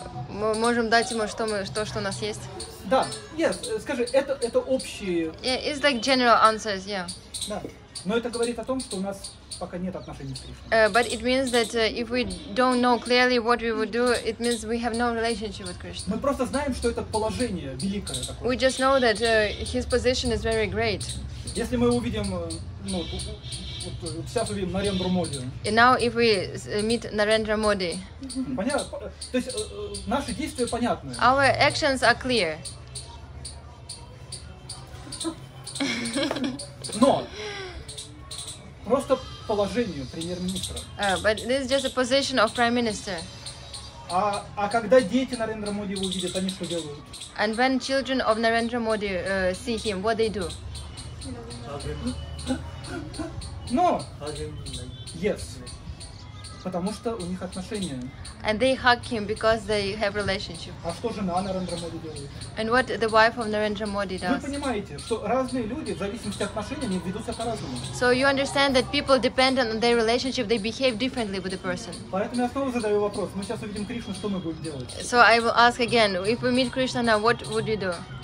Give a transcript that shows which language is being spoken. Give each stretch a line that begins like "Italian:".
Russian: мы можем дать ему что у нас есть? Да, yes, скажи, это общие.
English: Yeah, it's like general answers, yeah.
Russian: Да, но это говорит о том, что у нас пока нет отношений с Кришной.
English: But it means that if we don't know clearly what we would do, it means we have no relationship with Krishna.
Russian: Мы просто знаем, что это положение великое такое.
English: We just know that his position is very great.
Russian: Если мы увидим, ну, вот сейчас увидим Нарендру Моди.
English: И now if we meet Narendra Modi.
Russian: Понятно. То есть наши действия понятны.
English: Our actions are clear.
Russian: Но просто положению премьер-министра.
English: But this is just a position of prime minister.
Russian: А когда дети Нарендра Моди его увидят, они что делают?
English: And when children of Narendra Modi see him, what they do? No. Yes.
Russian: Потому что у них отношения.
English: And they hug him because they have relationship.
Russian: А что жена Нарендра Моди делает?
English: And what the wife of Narendra Modi does?
Russian: Вы понимаете, что разные люди, в зависимости от отношений, они ведутся по-разному.
English: So you understand that people dependent on their relationship, they behave differently with the person.
Russian: Поэтому я снова задаю вопрос. Мы сейчас увидим Кришну, что мы будем делать?
English: So I will ask again, if we meet Krishna now, what would you do?